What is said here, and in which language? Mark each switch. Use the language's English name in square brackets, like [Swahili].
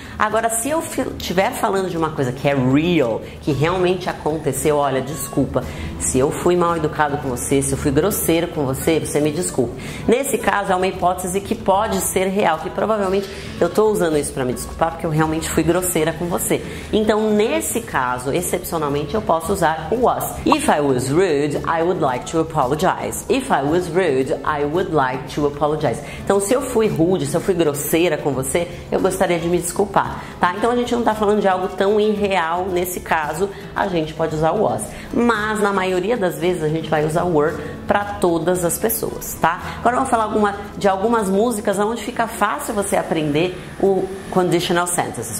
[Portuguese] Agora, se eu estiver falando de uma coisa que é real, que realmente aconteceu, olha, desculpa, se eu fui mal educado com você, se eu fui grosseiro com você, você me desculpe. Nesse caso, é uma hipótese que pode ser real, que provavelmente eu estou usando isso para me desculpar, porque eu realmente fui grosseira com você. Então, nesse caso, excepcionalmente, eu posso usar o was. [English] If I was rude, I would like to apologize. If I was rude, I would like to apologize. [Portuguese] Então, se eu fui rude, se eu fui grosseira com você, eu gostaria de me desculpar. Tá? Então a gente não está falando de algo tão irreal. Nesse caso, a gente pode usar o was. Mas na maioria das vezes a gente vai usar o were para todas as pessoas, tá? Agora vamos falar de algumas músicas onde fica fácil você aprender o conditional sentences.